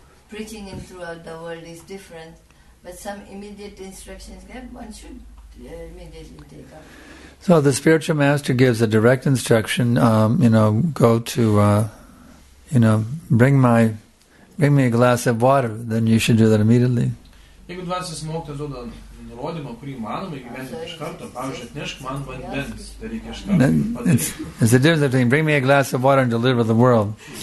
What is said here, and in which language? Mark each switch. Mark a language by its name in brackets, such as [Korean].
[English] Preaching in throughout the world is different. But some immediate instructions, one should immediately take up. So the spiritual master gives a direct instruction, go to, bring me a glass of water, then you should do that immediately. [Lithuanian] Jeigu dvasis mokytas duoda nurodymą, kurį manoma įgyvendinti iš karto, pavyzdžiui, atnešk man vandens, tai reikia iš karto. [English] It's a difference between bring me a glass of water and deliver the world.